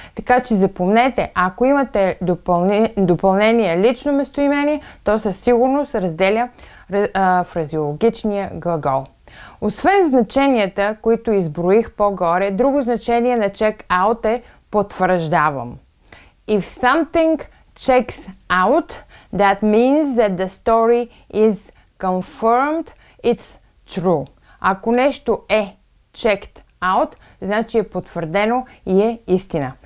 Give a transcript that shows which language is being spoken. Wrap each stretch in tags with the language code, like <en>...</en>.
<bg>Така че запомнете, ако имате допълнение лично местоимение, то със сигурност разделя фразеологичния глагол. Освен значенията, които изброих по-горе, друго значение на check out е потвърждавам.</bg> <en>If something checks out, that means that the story is confirmed, it's true.</en> <bg>Ако нещо е checked out, значи е потвърдено и е истина.</bg>